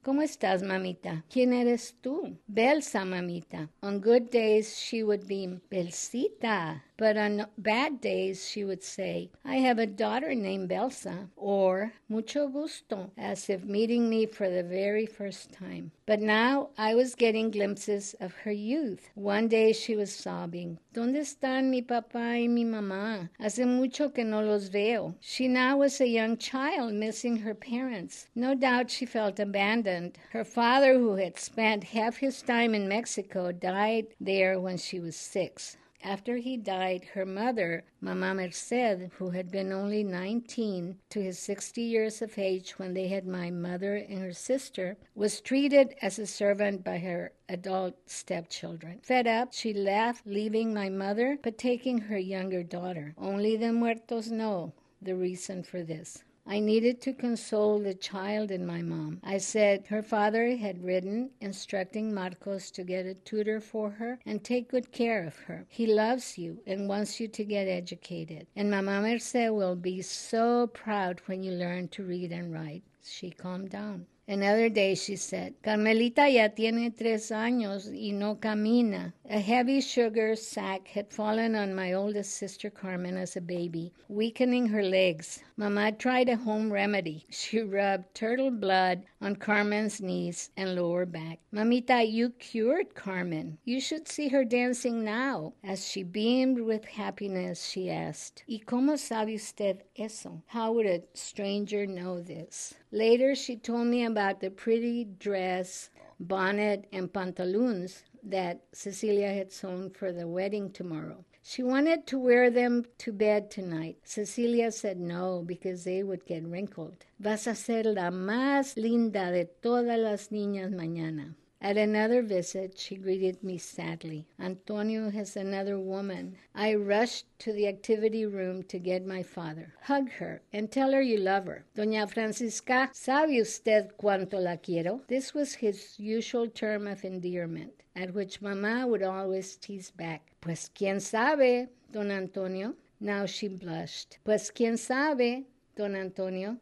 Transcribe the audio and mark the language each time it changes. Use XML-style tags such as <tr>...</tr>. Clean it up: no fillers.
<es>¿Cómo estás, mamita? ¿Quién eres tú? Belsa, mamita.</es> <en>On good days, she would be Belsita, But on bad days, she would say, I have a daughter named Belsa, or</en> <es>mucho gusto,</es> <en>as if meeting me for the very first time. But now I was getting glimpses of her youth. One day she was sobbing,</en> <es>¿Dónde están mi papá y mi mamá? Hace mucho que no los veo.</es> <en>She now was a young child missing her parents. No doubt she felt abandoned. Her father, who had spent half his time in Mexico, died there when she was six. After he died, her mother, Mama Merced, who had been only 19 to his 60 years of age when they had my mother and her sister, was treated as a servant by her adult stepchildren. Fed up, she left, leaving my mother, but taking her younger daughter. Only the muertos know the reason for this. I needed to console the child in my mom. I said her father had written instructing Marcos to get a tutor for her and take good care of her. He loves you and wants you to get educated. And Mama Merce will be so proud when you learn to read and write. She calmed down. Another day she said,</en> <es>Carmelita ya tiene 3 años y no camina.</es> <en>A heavy sugar sack had fallen on my oldest sister Carmen as a baby, weakening her legs. Mama tried a home remedy. She rubbed turtle blood on Carmen's knees and lower back. Mamita, you cured Carmen. You should see her dancing now. As she beamed with happiness, she asked,</en> <es>¿Y cómo sabe usted eso?</es> <en>How would a stranger know this? Later, she told me about the pretty dress, bonnet, and pantaloons that Cecilia had sewn for the wedding tomorrow. She wanted to wear them to bed tonight. Cecilia said no, because they would get wrinkled.</en> <es>Vas a ser la más linda de todas las niñas mañana.</es> <en>At another visit, she greeted me sadly. Antonio has another woman. I rushed to the activity room to get my father. Hug her and tell her you love her.</en> <es>Doña Francisca, ¿sabe usted cuánto la quiero?</es> <en>This was his usual term of endearment, at which Mama would always tease back.</en> <es>Pues quién sabe, Don Antonio.</es> <en>Now she blushed.</en> <es>Pues quién sabe, Don Antonio.</es>